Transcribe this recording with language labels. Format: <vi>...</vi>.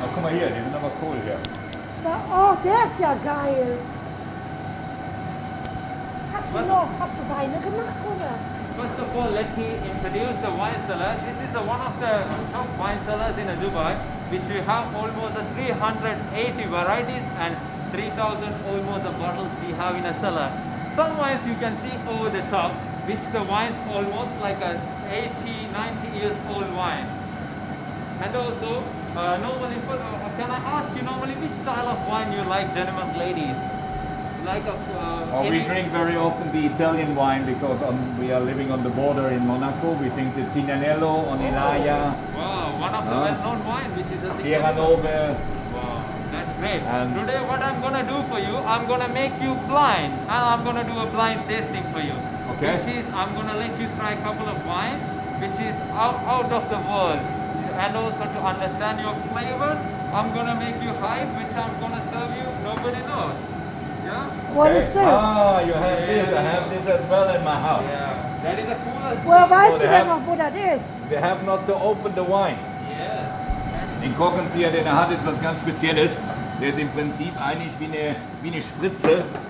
<de>Ach, guck mal hier, die sind aber cool hier. Oh, der ist ja geil. Hast du noch, hast du Weine gemacht, Robert?</de> <en>First of all, let me introduce the wine cellar. This is one of the top wine cellars in Dubai, which we have almost 380 varieties and 3,000 almost bottles we have in a cellar. Some wines you can see over the top, which the wines almost like a 80, 90 years old wine. And also, normally, can I ask you normally which style of wine you like, gentlemen, ladies? Like well, we drink very often the Italian wine because we are living on the border in Monaco. We drink the Tignanello on Elia. Wow, one of the well-known wine, which is a Sierra Nove. Wow, that's great. And today what I'm going to do for you, I'm going to make you blind. And I'm going to do a blind tasting for you. Okay. Which is, I'm going to let you try a couple of wines, which is out of the world. And also to understand your flavors, I'm going to make you hype, which I'm going to serve you, nobody knows. Yeah. What is this? Ah, you have this. I have this as well in my house. Yeah. That is a cooler.</en> <de>Well, weißt du denn noch, wo das ist?</de> <en>They have not to open the wine. Yes.</en> <de>Den Korkenzieher, den er hat, ist was ganz Spezielles. Der ist im Prinzip eigentlich wie eine Spritze.</de>